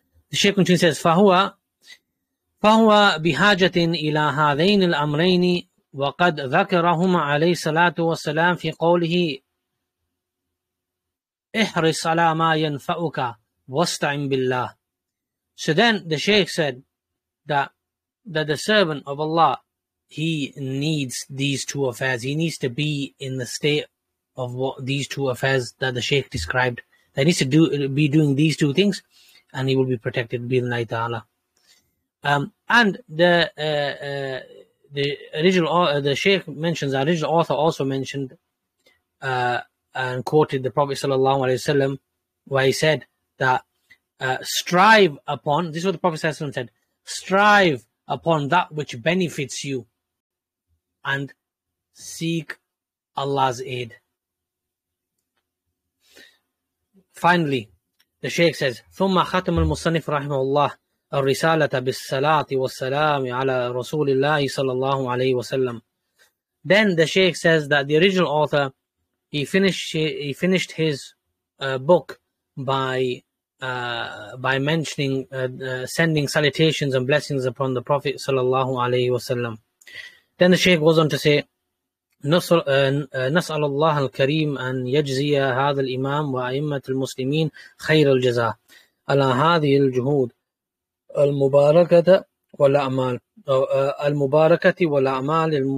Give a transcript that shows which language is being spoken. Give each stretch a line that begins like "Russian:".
English: The Shaykh continues, says,
Arabic: فَهُوَ بِحَاجَةٍ إِلَىٰ هَذَيْنِ الْأَمْرَيْنِ وَقَدْ ذَكَرَهُمَ عَلَيْهِ صَلَاةُ وَالسَّلَامُ فِي قَوْلِهِ إِحْرِصْ عَلَىٰ مَا يَنْفَأُكَ وَاسْتَعِمْ بِاللَّهِ.
English: So then the Shaykh said that the servant of Allah, he needs these two affairs. He needs to be in the state of what these two affairs that the Shaykh described. He needs to be doing these two things, and he will be protected by Allah Ta'ala. And the original the Shaykh mentions, the original author also mentioned and quoted the Prophet Sallallahu Alaihi Wasallam, where he said that strive upon, this is what the Prophet Sallallahu Alaihi Wasallam said, strive upon that which benefits you and seek Allah's aid. Finally, the Shaykh says,
Arabic: ثُمَّ خَتَمُ الْمُصَنِّفُ رَحِمَهُ اللَّهِ الرِّسَالَةَ بِالسَّلَاةِ وَالسَّلَامِ عَلَى رَسُولِ اللَّهِ صَلَى اللَّهُ عَلَيْهِ وَسَلَّمِ.
English: Then the Shaykh says that the original author, he finished his book by mentioning sending salutations and blessings upon the Prophet sallallahu alaihi wasallam. Then the Shaykh goes on to say,
Arabic: نسأل الله الكريم أن يجزي هذا الإمام وأئمة المسلمين خير الجزاء على هذه الجهود المباركة والأعمال المباركة والأعمال